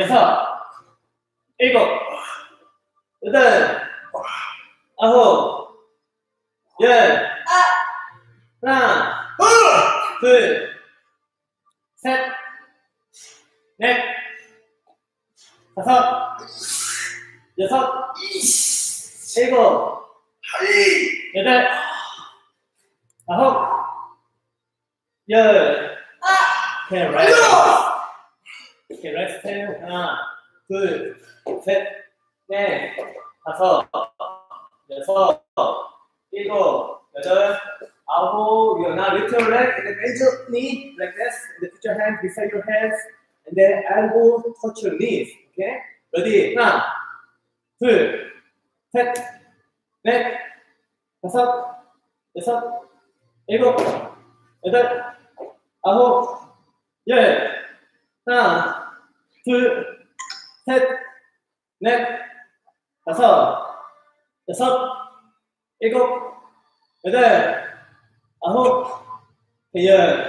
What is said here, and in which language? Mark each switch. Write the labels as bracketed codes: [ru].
[ko] 여섯. 일곱. 여덟. 아홉. 열. 하나. 둘. 셋. 넷. 다섯. 여섯. 일곱. 여덟. 아홉. 열. [en] Okay, right. Okay, right step. [ko] 하나, 둘, 셋, 넷, 다섯, 여섯, 일곱, 여덟, 아홉. [en] You're now lift your leg and bend your knee like this. And put your hand beside your hands and then elbow touch your knees. Okay? Ready? [ko] 하나, 둘, 셋, 넷, 다섯, 여섯, 일곱, 여덟, 아홉. 예, 하나, 둘, 셋, 넷, 다섯, 여섯, 일곱, 여덟, 아홉, 열.